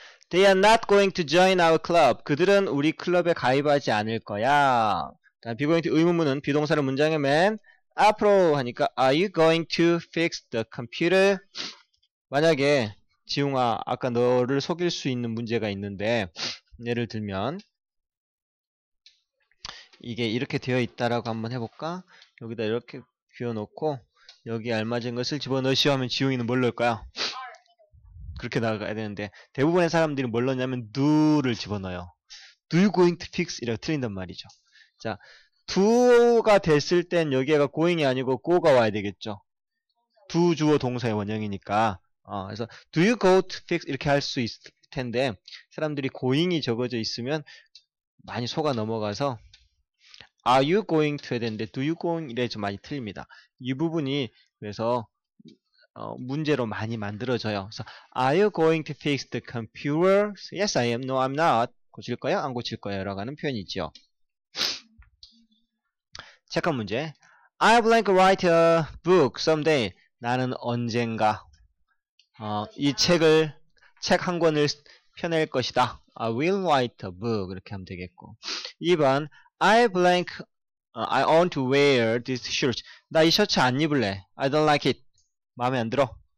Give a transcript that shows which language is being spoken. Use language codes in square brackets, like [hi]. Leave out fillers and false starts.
[en] They are not going to join our club. [ko] 그들은 우리 클럽에 가입하지 않을 거야. [en] 다음 be going to [ko] 의문문은 비동사를 문장에 맨 앞으로 하니까 [en] Are you going to fix the computer? [ko] 만약에 지웅아, 아까 너를 속일 수 있는 문제가 있는데, 예를 들면, 이게 이렇게 되어 있다라고 한번 해볼까? 여기다 이렇게 비워놓고, 여기에 알맞은 것을 집어넣으시오 하면 지웅이는 뭘 넣을 거야? 그렇게 나가야 되는데, 대부분의 사람들이 뭘 넣냐면, do를 집어넣어요. [en] Do you going to fix? [ko] 이라고 틀린단 말이죠. 자, do가 됐을 땐 여기가 going이 아니고 go가 와야 되겠죠. do 주어 동사의 원형이니까, 그래서 [en] do you go to fix [ko] 이렇게 할수 있을 텐데 사람들이 going이 적어져 있으면 많이 속아 넘어가서 [en] are you going to [ko] 해야 되는데 [en] do you going [ko] 이래서 많이 틀립니다. 이 부분이 그래서 문제로 많이 만들어져요. [en] 그래서 are you going to fix the computer? Yes, I am. No, I'm not. [ko] 고칠 거야? 안 고칠 거야? 라고 하는 표현이지요. 잠깐 문제. [en] I would like to write a book someday. [ko] 나는 언젠가 이 책을, 책한 권을 펴낼 것이다. [en] I will write a book. [ko] 이렇게 하면 되겠고. [en] 2번, I want to wear this shirt. [ko] 나이 셔츠 안 입을래. [en] I don't like it. [ko] 마음에 안 들어.